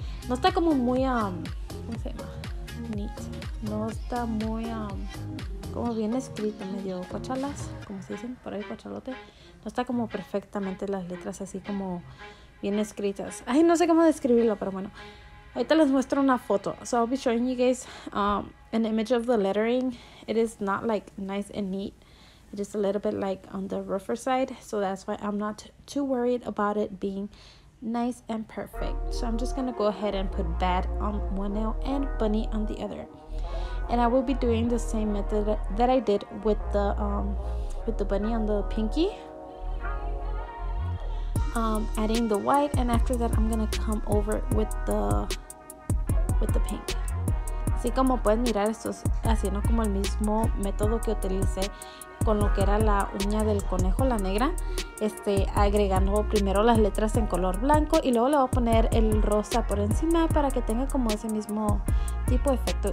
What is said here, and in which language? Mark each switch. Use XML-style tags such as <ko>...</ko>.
<es>No está como muy... ¿cómo se llama? Neat. No está muy... como bien escrito, medio cochalas, como se dicen por ahí, cochalote. No está como perfectamente las letras así como bien escritas. Ay, no sé cómo describirlo, pero bueno. Ahorita les muestro una foto.</es> <en>So I'll be showing you guys an image of the lettering. It is not like nice and neat. It is a little bit like on the rougher side. So that's why I'm not too worried about it being nice and perfect. So I'm just gonna go ahead and put Bad on one nail and Bunny on the other. And I will be doing the same method that I did with the bunny on the pinky. Adding the white, and after that I'm gonna come over with the pink.</en> <es>Así como pueden mirar, esto es haciendo como el mismo método que utilicé con lo que era la uña del conejo, la negra. Agregando primero las letras en color blanco, y luego le voy a poner el rosa por encima para que tenga como ese mismo tipo de efecto.</es>